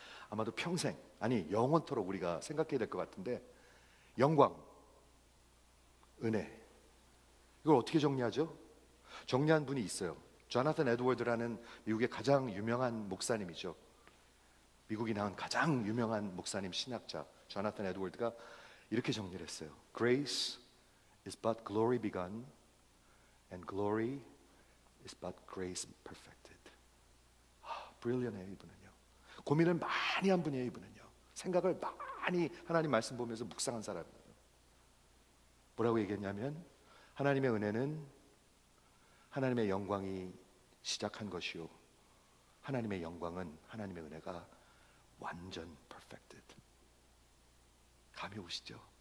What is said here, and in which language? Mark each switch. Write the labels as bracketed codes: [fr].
[ko] 아마도 평생, 아니 영원토록 우리가 생각해야 될 것 같은데, 영광, 은혜, 이걸 어떻게 정리하죠? 정리한 분이 있어요. 조나탄 에드워드라는 미국의 가장 유명한 목사님이죠. 미국이 낳은 가장 유명한 목사님, 신학자 조나탄 에드워드가 이렇게 정리를 했어요. [en] Grace is but glory begun, and glory is but grace perfected. [ko] 아, brilliant해요 이분은. 고민을 많이 한 분이에요 이분은요. 생각을 많이 하나님 말씀 보면서 묵상한 사람이에요. 뭐라고 얘기했냐면, 하나님의 은혜는 하나님의 영광이 시작한 것이요, 하나님의 영광은 하나님의 은혜가 완전 perfected. 감이 오시죠?